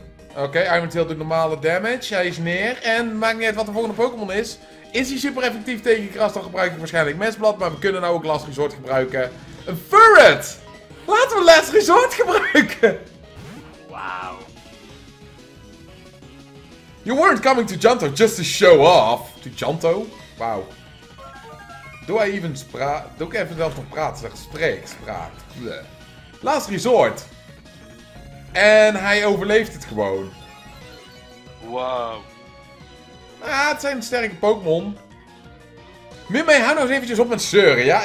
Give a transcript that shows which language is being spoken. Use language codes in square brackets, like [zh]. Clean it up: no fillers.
[nl] Oké, okay, Iron Tail doet normale damage, hij is neer, en maakt niet uit wat de volgende Pokémon is. Is hij super effectief tegen kras, dan gebruik ik waarschijnlijk Mesblad, maar we kunnen nou ook Last Resort gebruiken. Een Furret! Laten we Last Resort gebruiken! Wauw. [en] You weren't coming to Johto just to show off. To Johto? [nl] Wauw. Doe hij even spraak? Doe ik even zelf nog praten? Zeg, spreek, spraak. Bleh. Last Resort. En hij overleeft het gewoon. Wauw. Ah, het zijn sterke Pokémon. Mimmy, hou nou eens eventjes op met zeuren, ja?